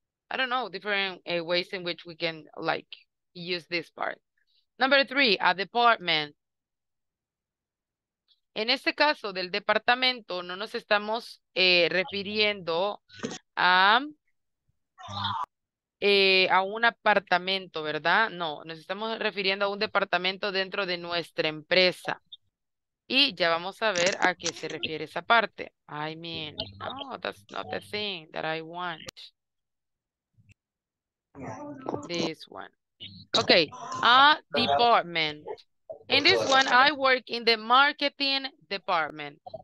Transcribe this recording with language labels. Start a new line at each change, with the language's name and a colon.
English: I don't know, different ways in which we can like use this part. Number three, a department.
Spanish: En este caso del departamento, no nos estamos refiriendo a un apartamento, ¿verdad? No, nos estamos refiriendo a un departamento dentro de nuestra empresa. Y ya vamos a ver a qué se refiere esa parte.
English: I mean, no, that's not the thing that I want. This one. Okay, a department. In this one, I work in the marketing department.